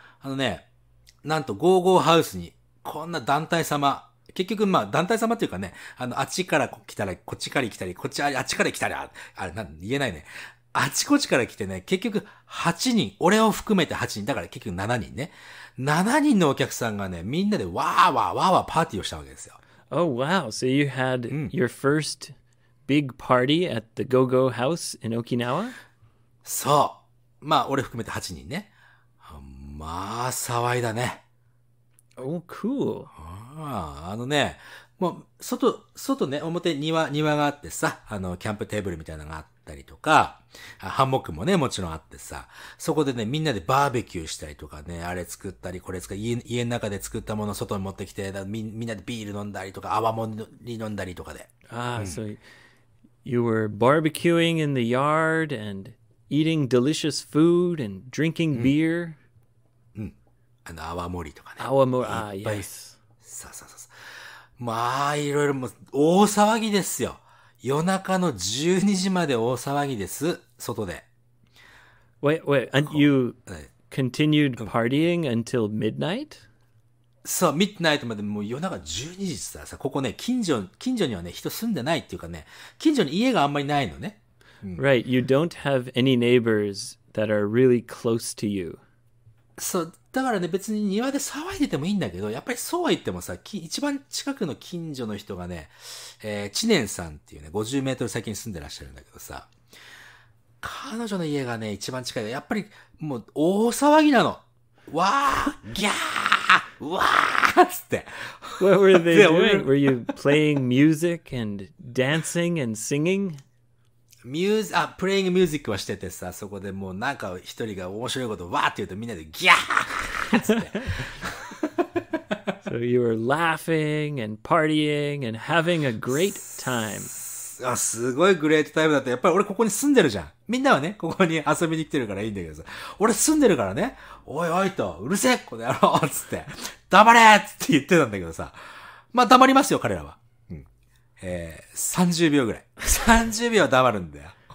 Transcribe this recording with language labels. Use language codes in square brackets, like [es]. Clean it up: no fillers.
[ja] あのね、なんと GoGo ハウスに、こんな団体様、結局まあ団体様っていうかね、あの、あっちから来たら、こっちから来たり、こっち、あっちから来たら、あれ、なん、言えないね。あちこちから来てね、結局8人、俺を含めて8人、だから結局7人ね。 7人のお客さんがね、みんなでわーわーわーわーパーティーをしたわけですよ。 [en] Oh wow, so you had your first big party at the GoGo house in Okinawa? [ja] そう。まあ、俺含めて8人ね。まあ、騒いだね。 [en] Oh, cool. [ja] あのね、もう、外ね、表、庭があってさ、あの、キャンプテーブルみたいなのがあったりとか、ハンモックもね、もちろんあってさ、そこでね、みんなでバーベキューしたりとかね、あれ作ったり、これ作ったり、家の中で作ったものを外に持ってきて、みんなでビール飲んだりとか、泡盛飲んだりとかで。 [en] Ah, so, you were barbecuing in the yard and,Eating delicious food and drinking beer. [ja] あの、泡盛りとかね。泡盛り、ああ、 [en] yes. [ja] そうそうそう。まあ、いろいろも、大騒ぎですよ。夜中の12時まで大騒ぎです。外で。 [en] Wait, and you continued partying until midnight? [ja] そう、 [en] midnight [ja] までもう夜中12時ってさ、ここね、近所にはね、人住んでないっていうかね、近所に家があんまりないのね。 [en] Right, you don't have any neighbors that are really close to you. [ja] そう、だからね、別に庭で騒いでてもいいんだけど、やっぱりそうは言ってもさ、一番近くの近所の人がね、知念さんっていうね、50メートル先に住んでらっしゃるんだけどさ、彼女の家がね、一番近いやっぱりもう大騒ぎなの。わー、ギャー、わーっつって。 [en] What were they doing? Were you playing music and dancing and singing? [ja] プレイングミュージックはしててさ、そこでもうなんか一人が面白いことわーって言うとみんなでギャーって。 [en] So you were laughing and partying and having a great time. [ja] あ、すごいグレートタイムだった。やっぱり俺ここに住んでるじゃん。みんなはね、ここに遊びに来てるからいいんだけどさ。俺住んでるからね、おいおいと、うるせえこの野郎つって、黙れって言ってたんだけどさ。まあ黙りますよ、彼らは。30秒ぐらい。30秒は黙るんだよ。